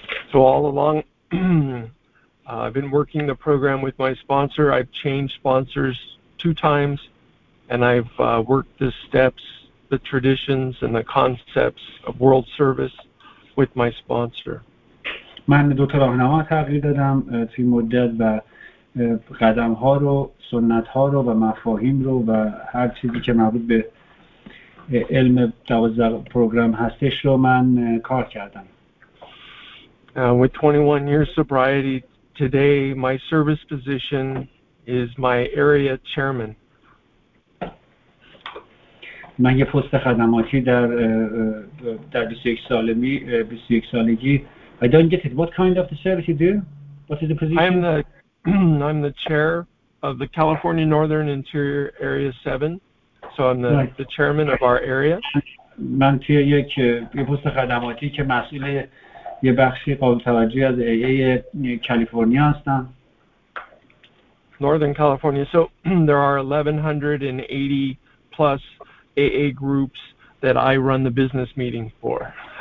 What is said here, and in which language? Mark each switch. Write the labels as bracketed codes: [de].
[en] So all along I've been working the program with my sponsor. I've changed sponsors 2 times and I've worked the steps, the traditions and the concepts of world service with my sponsor. [fa] من دو تا راهنما تغییر دادم توی مدت و قدم‌ها رو، سنت‌ها رو و مفاهیم رو و هر چیزی که مربوط به علم 12 پروگرام هستش رو من کار کردم. [en] With 21 years sobriety today, my service position is my area chairman. [fa] من یه پست خدماتی در 21 سالگی. [en] I don't get it. What kind of the service you do? What is the position? I'm the chair of the California Northern Interior Area 7. So I'm the chairman of our area. [fa] من توی یه پست خدماتی که مسئول یه بخشی قابل توجهی از AA کالیفرنیا هستم. [en] Northern California. So there are 1180 plus AA groups that I run the business meeting for.